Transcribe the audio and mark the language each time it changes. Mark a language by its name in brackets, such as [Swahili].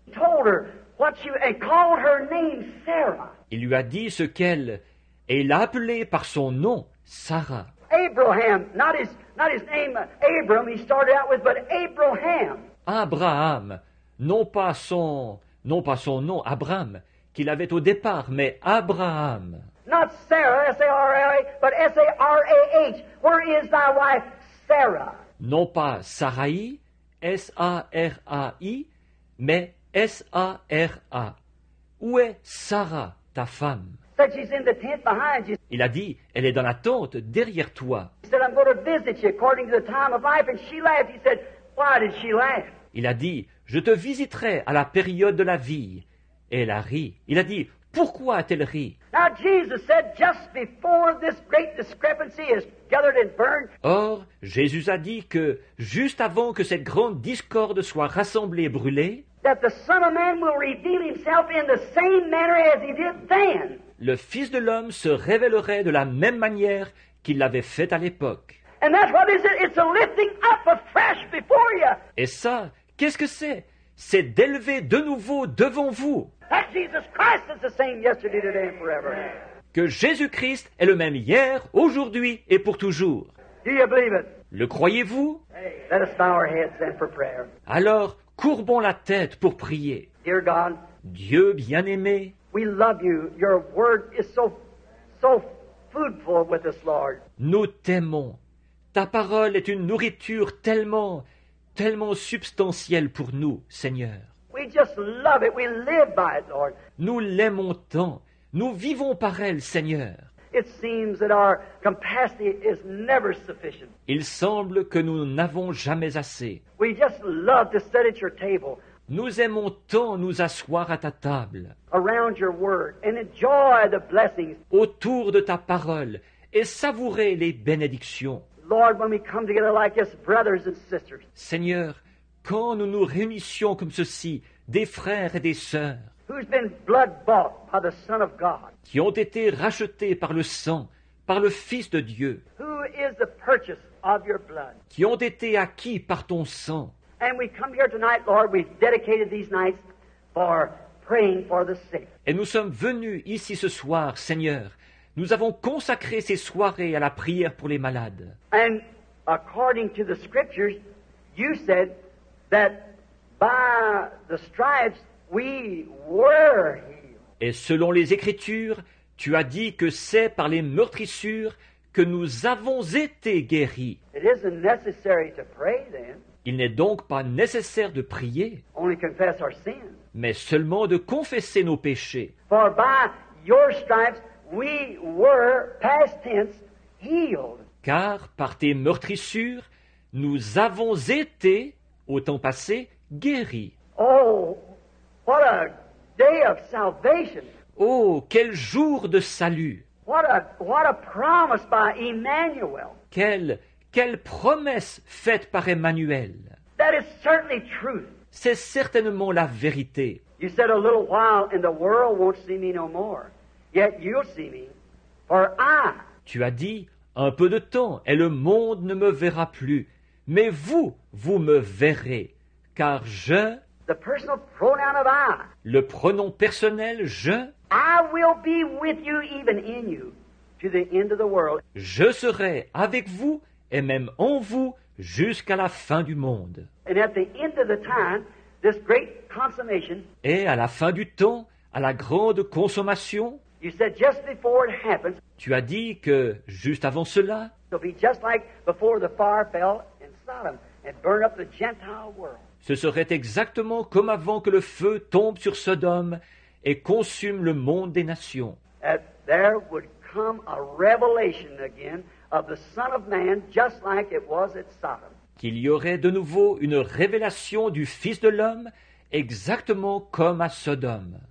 [English] Told her what she and called her name Sarah. [French] Il lui a dit ce qu'elle et l'a appelée par son nom Sarah. [English] Abraham, not his name Abram, he started out with, but Abraham. [French] Abraham, non pas son nom Abraham qu'il avait au départ, mais Abraham. [English] Not Sarah, S-A-R-A-H, but S-A-R-A-H. Where is thy wife, Sarah? [French] Non pas Sarai, S-A-R-A-I, mais S-A-R-A. Où est Sarah, ta femme? [English] Said she's in the tent behind you. [French] Il a dit, elle est dans la tente derrière toi. [English] He said, I'm going to visit you according to the time of life. And she laughed. He said, why did she laugh? [French] Il a dit, je te visiterai à la période de la vie. Et elle a ri. Il a dit, pourquoi a-t-elle ri? [English] Now Jesus said, just before this great discrepancy is gathered and burned. [French] Or, Jésus a dit que, juste avant que cette grande discorde soit rassemblée et brûlée, [English] that the Son of Man will reveal himself in the same manner as he did then. [French] Le Fils de l'homme se révélerait de la même manière qu'il l'avait fait à l'époque. [English] And that's what is it? It's a lifting up afresh before you. [French] Et ça, qu'est-ce que c'est? C'est d'élever de nouveau devant vous. [English] That Jesus Christ is the same yesterday, today, and forever. [French] Que Jésus-Christ est le même hier, aujourd'hui et pour toujours. [English] Do you believe it? [French] Le croyez-vous? [English] Let us bow our heads then for prayer. [French] Alors, courbons la tête pour prier. [English] Dear God, [French] Dieu bien-aimé, [English] we love you. Your word is so foodful with us, Lord. [French] Nous t'aimons. Ta parole est une nourriture tellement substantielle pour nous, Seigneur. [English] We just love it. We live by it, Lord. [French] Nous l'aimons tant. Nous vivons par elle, Seigneur. [English] It seems that our capacity is never sufficient. [French] Il semble que nous n'avons jamais assez. [English] We just love to sit at your table. [French] Nous aimons tant nous asseoir à ta table. [English] Around your word and enjoy the blessings. [French] Autour de ta parole et savourer les bénédictions. [English] Lord, when we come together like this, brothers and sisters. [French] Seigneur, quand nous nous réunissions comme ceci, des frères et des sœurs. [English] Who's been blood bought by the Son of God? [French] Qui ont été rachetés par le sang, par le Fils de Dieu. [English] Who is the purchase of your blood? [French] Qui ont été acquis par ton sang. [English] And we come here tonight, Lord, we've dedicated these nights for praying for the sick. [French] Et nous sommes venus ici ce soir, Seigneur. Nous avons consacré ces soirées à la prière pour les malades. [English] And according to the scriptures, you said that by the stripes we were healed. [French] Et selon les Écritures, tu as dit que c'est par les meurtrissures que nous avons été guéris. [English] It isn't necessary to pray, then. [French] Il n'est donc pas nécessaire de prier, [English] only confess our sins. [French] Mais seulement de confesser nos péchés. [English] For by your stripes we were, past tense, healed. [French] Car par tes meurtrissures, nous avons été, au temps passé, guéris. [English] Oh, what a day of salvation! [French] Oh, quel jour de salut! [English] What a promise by Emmanuel! [French] Quelle promesse faite par Emmanuel! [English] That is certainly truth. [French] C'est certainement la vérité. [English] You said a little while and the world won't see me no more. Yet you'll see me, for I. [French] Tu as dit un peu de temps et le monde ne me verra plus, mais vous me verrez, car je. [English] The personal pronoun of I. [French] Le pronom personnel je. [English] I will be with you even in you to the end of the world. [French] Je serai avec vous et même en vous jusqu'à la fin du monde. [English] And at the end of the time, this great consummation. [French] Et à la fin du temps, à la grande consommation. [English] You said just before it happens. [French] Tu as dit que juste avant cela. [English] It'll be just like before the fire fell in Sodom and burned up the Gentile world. [French] Ce serait exactement comme avant que le feu tombe sur Sodome et consume le monde des nations. [English] That there would come a revelation again of the Son of Man, just like it was at Sodom. [French] Qu'il y aurait de nouveau une révélation du Fils de l'homme, exactement comme à Sodome.